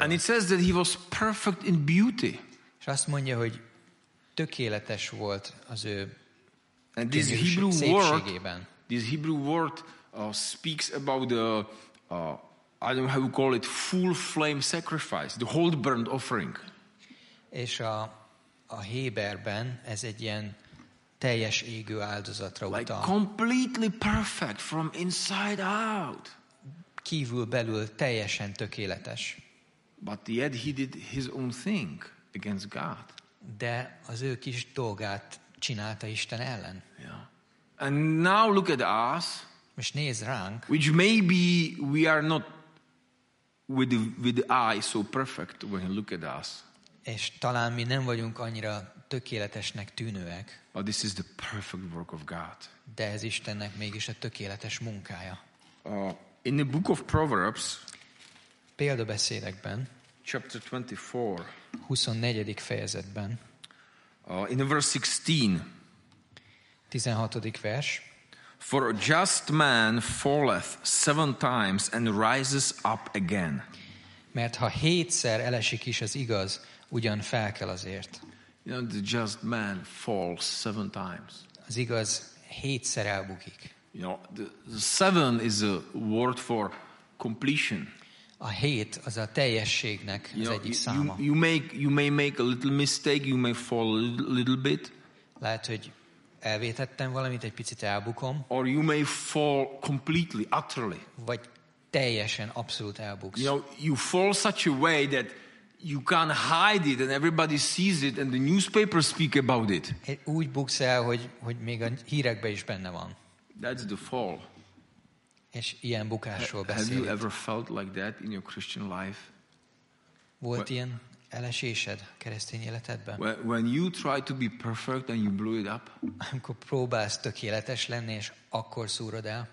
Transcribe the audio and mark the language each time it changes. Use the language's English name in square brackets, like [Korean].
[English] And it says that he was perfect in beauty. [Hungarian] És azt mondja, hogy tökéletes volt az ő szépségében. [English] This Hebrew word speaks about the I don't know how you call it, full flame sacrifice, the whole burnt offering. [Hungarian] És a Héberben ez egy ilyen teljes égő áldozatra [English] like [Hungarian] utal. [English] Completely perfect from inside out. [Hungarian] Kívül belül teljesen tökéletes. [English] But yet he did his own thing against God. [Hungarian] De az ő kis dolgát csinálta Isten ellen. [English] Yeah. And now look at us. [Hungarian] Most nézz ránk. [English] Which maybe we are not with the eye so perfect when you look at us. [Hungarian] És talán mi nem vagyunk annyira tökéletesnek tűnőek. [English] But this is the perfect work of God. [Hungarian] De ez Istennek mégis a tökéletes munkája. [English] In the book of Proverbs, [Hungarian] Példabeszédekben, [English] chapter 24, [Hungarian] 24. fejezetben, [English] In verse 16, [Hungarian] 16. vers, [English] for a just man falleth seven times and rises up again. [Hungarian] Mert ha hétszer elesik is az igaz, ugyan felkel azért. [English] You know, the just man falls seven times. [Hungarian] Az igaz hétszer elbukik. [English] You know, the seven is a word for completion. [Hungarian] A hét az a teljességnek az egyik száma. [English] You may make a little mistake, you may fall a little bit. [Hungarian] Lehet, hogy elvétettem valamit, egy picit elbukom. [English] Or you may fall completely, utterly. [Hungarian] Vagy teljesen, abszolút elbuksz. [English] You know, you fall such a way that you can't hide it and everybody sees it and the newspapers speak about it. [Hungarian] Úgy buksz el, hogy még a hírekben is benne van. [English] That's the fall. [Hungarian] És ilyen bukásról beszélt. [English] Have you ever felt like that in your Christian life? [Hungarian] Volt ilyen elesésed a keresztény életedben? [English] When you try to be perfect and you blew it up. [Hungarian] Amikor próbálsz tökéletes lenni, és akkor szúrod el.